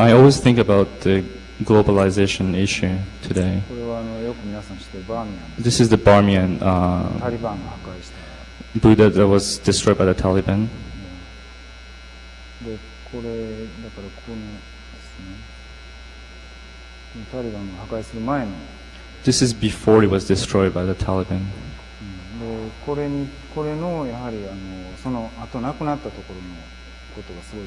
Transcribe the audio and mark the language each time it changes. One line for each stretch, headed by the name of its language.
English: I always think about the globalization issue today.
Japanese: これはよく皆さん知ってるバーミヤン。
English: This is the Bamiyan.
Japanese: タリバンが破壊した。
English: Buddha that was destroyed by the Taliban.
Japanese: で、これだからここのですね。タリバンが破壊する前の。
English: This is before it was destroyed by the Taliban.
Japanese: で、これのやはりその後亡くなったところのことがすごい。